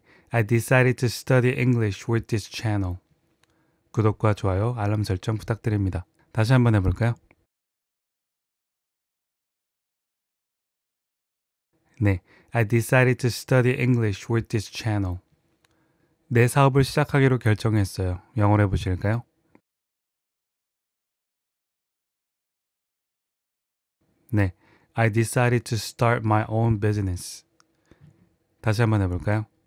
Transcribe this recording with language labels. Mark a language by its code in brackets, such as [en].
[en] I decided to study English with this channel. [ko] 구독과 좋아요, 알람 설정 부탁드립니다. 다시 한번 해볼까요? [en] 네, I decided to study English with this channel. [ko] 내 사업을 시작하기로 결정했어요. 영어로 해보실까요? [en] 네, I decided to start my own business. [ko] 다시 한번 해볼까요?